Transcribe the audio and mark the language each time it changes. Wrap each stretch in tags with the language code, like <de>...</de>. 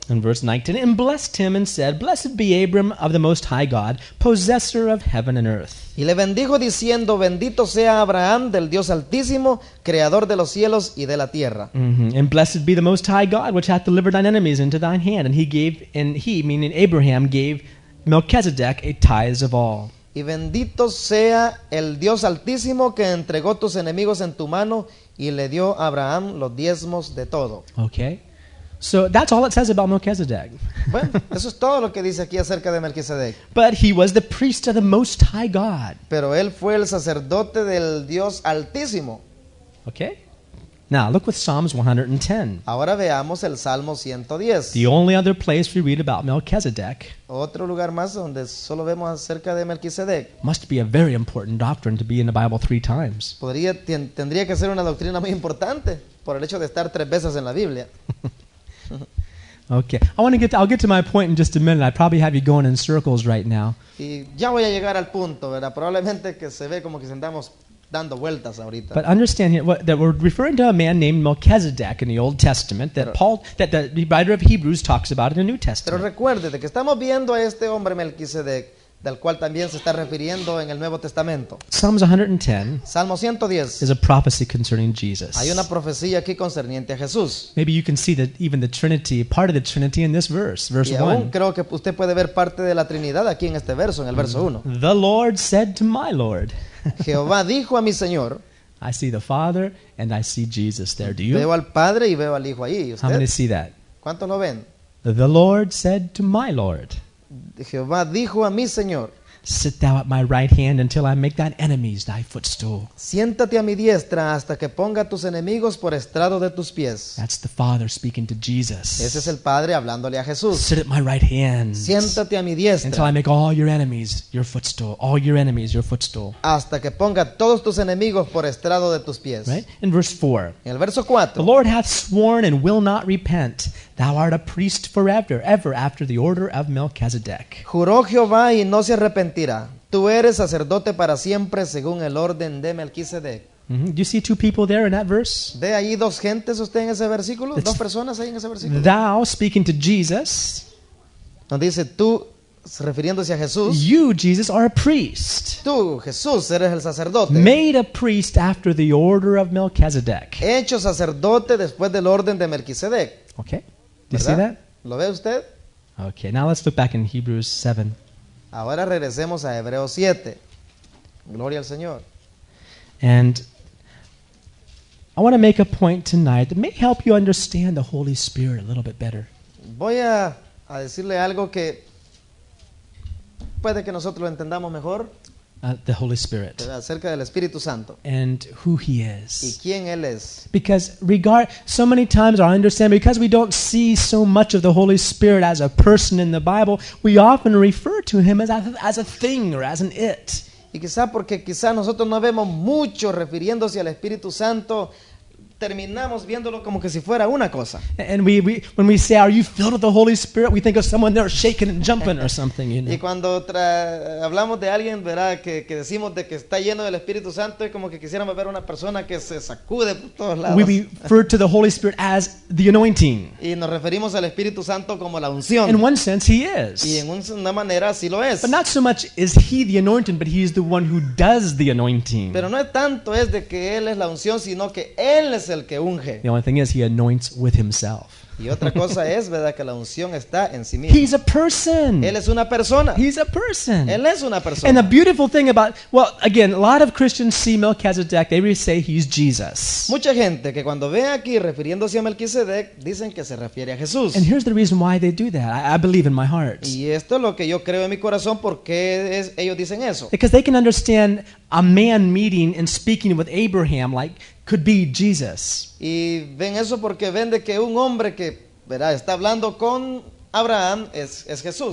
<en>In verse 19, and blessed him and said, blessed be Abram of the Most High God, possessor of heaven and earth.</en> <es>Y le bendijo diciendo, bendito sea Abraham del Dios Altísimo, creador de los cielos y de la tierra.</es> <en>And blessed be the Most High God, which hath delivered thine enemies into thine hand. And he, meaning Abraham, gave Melchizedek a tithe of all.</en> <es>Y bendito sea el Dios Altísimo que entregó tus enemigos en tu mano y le dio a Abraham los diezmos de todo.</es> <en>Okay. So that's all it says about Melchizedek.</en> <es>Bueno, eso es todo lo que dice aquí acerca de Melquisedec.</es> <en>But he was the priest of the Most High God.</en> <es>Pero él fue el sacerdote del Dios Altísimo.</es> <en>Okay. Now, look with Psalms 110.</en> <es>Ahora veamos el Salmo 110.</es> <en>The only other place we read about Melchizedek.</en> <es>Otro lugar más donde solo vemos acerca de Melquisedec.</es> <en>Must be a very important doctrine to be in the Bible three times.</en> <es>Tendría que ser una doctrina muy importante por el hecho de estar tres veces en la Biblia.</es> <en>Okay, I'll get to my point in just a minute. I probably have you going in circles right now.</en> <es>Y ya voy a llegar al punto, ¿verdad? Probablemente que se ve como que sentamos dando vueltas ahorita.</es> <en>But understand here, that we're referring to a man named Melchizedek in the Old Testament that the writer of Hebrews talks about in the New Testament.</en> <es>Pero recuerde de que estamos viendo a este hombre Melquisedec, del cual también se está refiriendo en el Nuevo Testamento.</es> <en>Psalms 110.</en> <es>Salmo 110.</es> <en>Is a prophecy concerning Jesus.</en> <es>Hay una profecía aquí concerniente a Jesús.</es> <en>Maybe you can see that even the Trinity, part of the Trinity in this verse 1.</en> <es>Y aún creo que usted puede ver parte de la Trinidad aquí en este verso, en el verso 1.</es> <en>The Lord said to my Lord.</en> <es>Jehová dijo a mi Señor.</es> <en>I see the Father and I see Jesus there. Do you?</en> <es>Veo al Padre y veo al Hijo ahí. ¿Usted?</es> <en>How many see that?</en> <es>¿Cuántos lo ven?</es> <en>The Lord said to my Lord.</en> <es>Jehová dijo a mi Señor.</es> <en>Sit thou at my right hand until I make thine enemies thy footstool.</en> <es>Siéntate a mi diestra hasta que ponga tus enemigos por estrado de tus pies.</es> <en>That's the Father speaking to Jesus.</en> <es>Ese es el Padre hablándole a Jesús.</es> <en>Sit at my right hand.</en> <es>Siéntate a mi diestra.</es> <en>Until I make all your enemies your footstool. All your enemies your footstool.</en> <es>Hasta que ponga todos tus enemigos por estrado de tus pies.</es> <en>Right? In verse 4.</en> <es>En el verso 4.</es> <en>The Lord hath sworn and will not repent. Thou art a priest forever, ever after the order of Melchizedek.</en> <es>Juró Jehová y no se arrepentirá. Tú eres sacerdote para siempre según el orden de Melquisedec. Mm-hmm.</es> <en>Do you see two people there in that verse?</en> <es>¿Ve ahí dos gentes usted en ese versículo? Dos personas ahí en ese versículo.</es> <en>Thou speaking to Jesus.</en> <es>Donde dice tú refiriéndose a Jesús.</es> <en>You, Jesus, are a priest.</en> <es>Tú, Jesús, eres el sacerdote.</es> <en>Made a priest after the order of Melchizedek.</en> <es>Hecho sacerdote después del orden de Melquisedec.</es> <en>Okay. Do you see that?</en> <es>¿Lo ve usted?</es> <en>Okay, now let's look back in Hebrews 7.</en> <es>Ahora regresemos a Hebreos 7. Gloria al Señor.</es> <en>And I want to make a point tonight that may help you understand the Holy Spirit a little bit better.</en> <es>Voy a decirle algo que puede que nosotros lo entendamos mejor.</es> <en>The Holy Spirit.</en> <es>Acerca del Espíritu Santo.</es> <en>And who He is.</en> <es>¿Y quién él es?</es> <en>Because so many times our understanding, because we don't see so much of the Holy Spirit as a person in the Bible, we often refer to Him as a thing or as an it.</en> <es>Y quizá porque quizá nosotros no vemos mucho refiriéndose al Espíritu Santo, terminamos viéndolo como que si fuera una cosa.</es> <en>And when we say, "Are you filled with the Holy Spirit?" we think of someone there shaking and jumping or something, you know.</en> <es>Y cuando hablamos de alguien, ¿verdad? Que decimos de que está lleno del Espíritu Santo, es como que quisiéramos ver una persona que se sacude por todos lados.</es> <en>We refer to the Holy Spirit as the anointing.</en> <es>Y nos referimos al Espíritu Santo como la unción.</es> <en>In one sense, He is.</en> <es>Y en una manera sí lo es.</es> <en>But not so much is He the anointing, but He is the one who does the anointing.</en> <es>Pero no es tanto es de que Él es la unción, sino que Él es el que unge.</es> <en>The only thing is, He anoints with Himself.</en> <es>Y otra cosa es, ¿verdad? Que la unción está en sí mismo.</es> <en>He's a person.</en> <es>Él es una persona.</es> <en>He's a person.</en> <es>Él es una persona.</es> <en>And the beautiful thing about, well, again, a lot of Christians see Melchizedek, they say he's Jesus.</en> <es>Mucha gente que cuando ve aquí refiriéndose a Melquisedec, dicen que se refiere a Jesús.</es> <en>And here's the reason why they do that. I believe in my heart.</en> <es>Y esto es lo que yo creo en mi corazón, ¿por qué ellos dicen eso?</es> <en>Because they can understand a man meeting and speaking with Abraham like could be Jesus.</en> <es>Y ven eso porque ven de que un hombre que, ¿verdad?, está hablando con Abraham es Jesús.</es>